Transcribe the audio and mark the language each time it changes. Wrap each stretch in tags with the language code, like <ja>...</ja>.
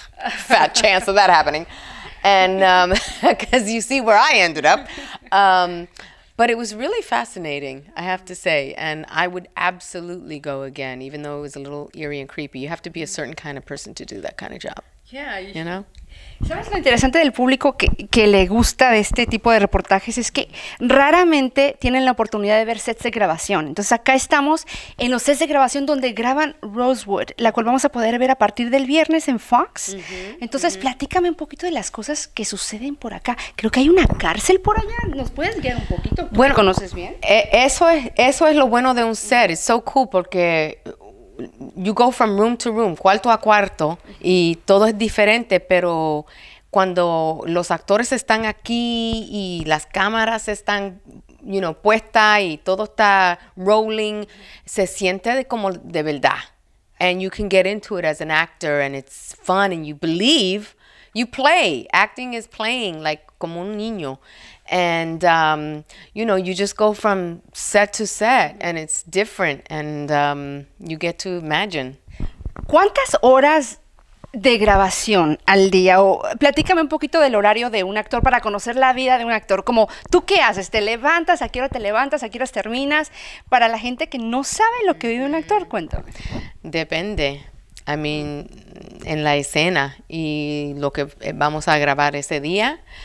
<en>Fat chance of that happening. And because you see where I ended up. But it was really fascinating, I have to say. And I would absolutely go again, even though it was a little eerie and creepy. You have to be a certain kind of person to do that kind of job. Yeah, you You should. know?</en> <es>¿Sabes lo interesante del público que le gusta de este tipo de reportajes? Es que raramente tienen la oportunidad de ver sets de grabación. Entonces acá estamos en los sets de grabación donde graban Rosewood, la cual vamos a poder ver a partir del viernes en Fox. Entonces platícame un poquito de las cosas que suceden por acá. Creo que hay una cárcel por allá. ¿Nos puedes guiar un poquito? ¿Tú que Bueno, conoces bien? eso es lo bueno de un set.</es> <en>It's so cool</en> <es>porque</es> <en>you go from room to room,</en> <es>cuarto a cuarto, y todo es diferente, pero cuando los actores están aquí y las cámaras están, puestas y todo está rolling, se siente de como de verdad.</es> <en>And you can get into it as an actor, and it's fun, and you believe, you play. Acting is playing, like</en> <es>como un niño.</es> <en>And you just go from set to set, and it's different, and you get to imagine.</en> <es>¿Cuántas horas de grabación al día? O platícame un poquito del horario de un actor para conocer la vida de un actor. Como, ¿tú qué haces? ¿Te levantas? ¿A qué hora te levantas? ¿A qué horas terminas? Para la gente que no sabe lo que vive un actor, cuéntame. Depende. En la escena y lo que vamos a grabar ese día.</es>